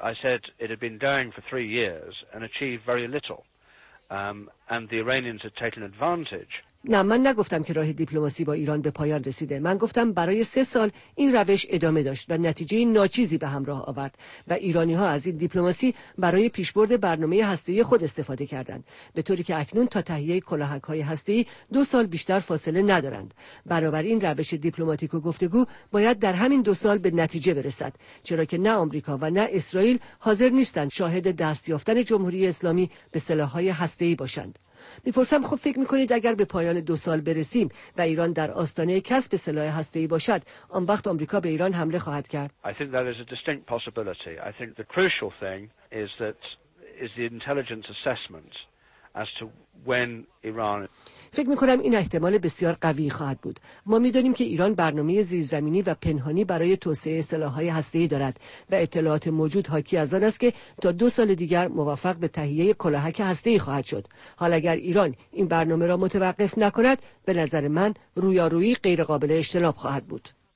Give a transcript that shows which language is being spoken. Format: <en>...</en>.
<en>I said it had been going for 3 years and achieved very little, and the Iranians had taken advantage.</en> <fa>نه، من نگفتم که راه دیپلماسی با ایران به پایان رسیده. من گفتم برای 3 سال این روش ادامه داشت و نتیجه ناچیزی به همراه آورد و ایرانی ها از این دیپلماسی برای پیشبرد برنامه هسته‌ای خود استفاده کردند، به طوری که اکنون تا تهیه کلاهک های هسته‌ای 2 سال بیشتر فاصله ندارند. بنابراین روش دیپلماتیک و گفتگو باید در همین 2 سال به نتیجه برسد، چرا که نه آمریکا و نه اسرائیل حاضر نیستند شاهد دست یافتن جمهوری اسلامی به سلاح‌های هسته‌ای باشند. میپرسم خب فکر میکنید اگر به پایان 2 سال برسیم و ایران در آستانه کسب سلاح هسته‌ای باشد، آن وقت آمریکا به ایران حمله خواهد کرد؟</fa> <en>I think that is a distinct possibility. I think the crucial thing is the intelligence assessment as to when Iran.</en> <fa>فکر میکنم این احتمال بسیار قوی خواهد بود. ما میدونیم که ایران برنامه زیرزمینی و پنهانی برای توسعه سلاح‌های هسته‌ای دارد و اطلاعات موجود حاکی از آن است که تا 2 سال دیگر موفق به تهیه کلاهک هسته‌ای خواهد شد. حال اگر ایران این برنامه را متوقف نکند، به نظر من رویارویی غیرقابل اجتناب خواهد بود.</fa>